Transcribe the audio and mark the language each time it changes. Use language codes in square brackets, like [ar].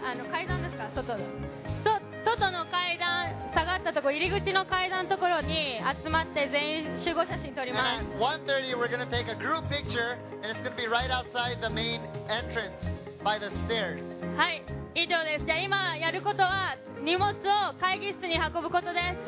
[ja] 階段ですか、外の階段、下がったところ、入り口の階段のところに集まって全員集合写真撮ります。 [en] 1:30 we're gonna take a group picture and it's gonna be right outside the main entrance by the stairs. [ja] はい、以上です。じゃあ今やることは。荷物を会議室に運ぶことです。